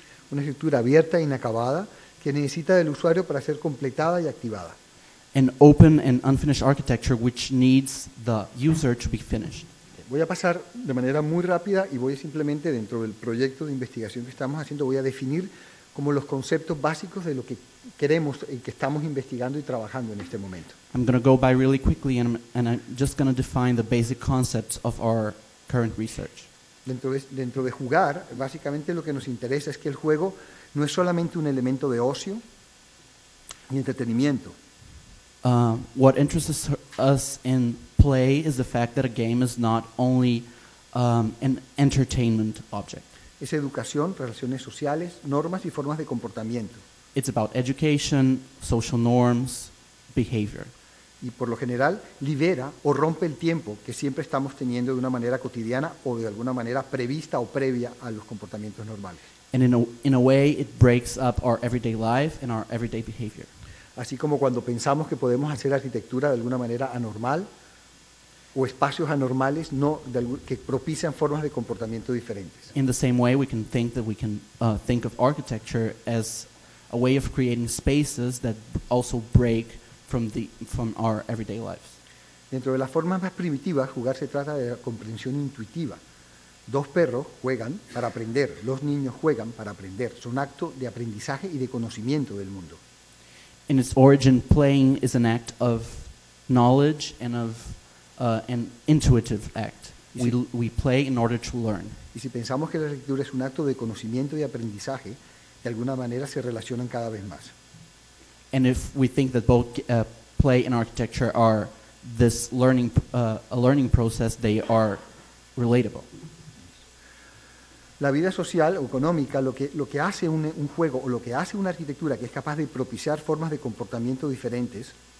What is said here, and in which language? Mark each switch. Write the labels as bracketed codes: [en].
[es] Una estructura abierta e inacabada que necesita del usuario para ser completada y activada. [en] An open and unfinished architecture which needs the user to be finished. [es] Voy a pasar de manera muy rápida y voy a simplemente dentro del proyecto de investigación que estamos haciendo voy a definir como los conceptos básicos de lo que queremos y que estamos investigando y trabajando en este momento. [en] I'm going to go by really quickly and I'm just going to define the basic concepts of our current research. [es] Dentro de jugar, básicamente lo que nos interesa es que el juego no es solamente un elemento de ocio y entretenimiento. [en] What interests us in play is the fact that a game is not only an entertainment object. [es] Es educación, relaciones sociales, normas y formas de comportamiento. [en] It's about education, social norms, behavior. [es] Y por lo general libera o rompe el tiempo que siempre estamos teniendo de una manera cotidiana o de alguna manera prevista o previa a los comportamientos normales. [en] And in a way it breaks up our everyday life and our everyday behavior. [es] Así como cuando pensamos que podemos hacer arquitectura de alguna manera anormal o espacios anormales no de, que propician formas de comportamiento diferentes. [en] In the same way we can think that we can think of architecture as a way of creating spaces that also break from our everyday lives. [es] Dentro de las formas más primitivas, jugar se trata de la comprensión intuitiva. Dos perros juegan para aprender, los niños juegan para aprender. Es un acto de aprendizaje y de conocimiento del mundo. [en] In its origin, playing is an act of knowledge and of an intuitive act. We play in order to learn. [es] Y si pensamos que la arquitectura es un acto de conocimiento y aprendizaje, de alguna manera se relacionan cada vez más. [en] And if we think that both play and architecture are this learning, a learning process, they are relatable. [es] La vida social o económica, lo que hace un juego o lo que hace una arquitectura que es capaz de propiciar formas de comportamiento diferentes.